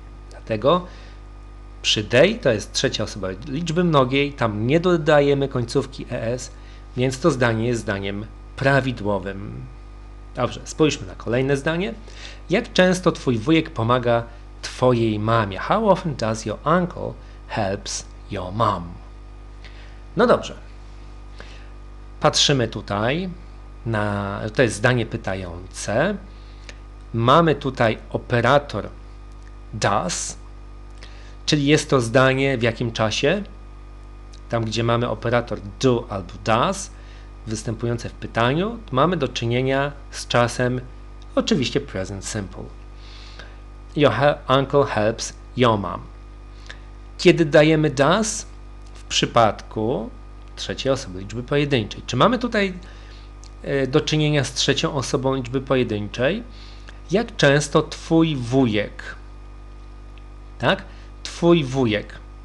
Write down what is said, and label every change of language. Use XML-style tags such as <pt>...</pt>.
<pl>Dlatego przy they to jest trzecia osoba liczby mnogiej, tam nie dodajemy końcówki es, więc to zdanie jest zdaniem prawidłowym. Dobrze, spójrzmy na kolejne zdanie. Jak często twój wujek pomaga twojej mamie?</pl> <en>How often does your uncle helps your mom?</en> <pl>No dobrze. Patrzymy tutaj na... To jest zdanie pytające. Mamy tutaj operator does, czyli jest to zdanie w jakim czasie? Tam, gdzie mamy operator do albo does występujące w pytaniu, mamy do czynienia z czasem oczywiście present simple.</pl> <en>Your uncle helps your mom.</en> <pl>Kiedy dajemy does? W przypadku trzeciej osoby liczby pojedynczej. Czy mamy tutaj do czynienia z trzecią osobą liczby pojedynczej, jak często twój wujek, tak? Twój wujek.</pl>